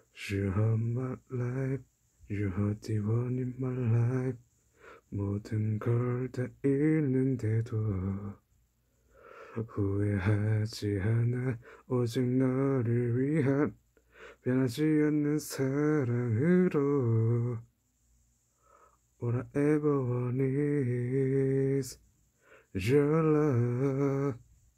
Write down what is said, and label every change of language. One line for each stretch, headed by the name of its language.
English: You are my life, you are the one in my life.
Korean: 모든 걸다 잃는데도 후회하지 않아. 오직 너를 위한 변하지 않는 사랑으로.
English: What I ever want is your love.